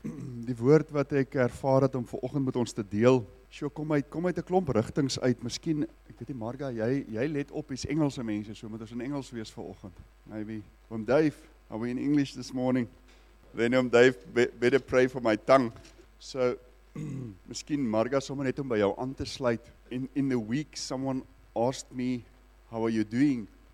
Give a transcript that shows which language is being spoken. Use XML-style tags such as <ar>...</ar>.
<af>die woord wat ek ervaar het om vanoggend met ons te deel. So kom uit 'n klomp rigtings uit. Miskien, ek weet nie Marga, jy let op, jy's Engelse mense, so moet ons in Engels wees vanoggend.</af> <en>Maybe from Dave, are we in English this morning? Then I'm Dave, better pray for my tongue.</en> <af>So miskien Marga sommer net om by jou aan te sluit.</af> <en>In the week someone asked me, how are you doing?</en>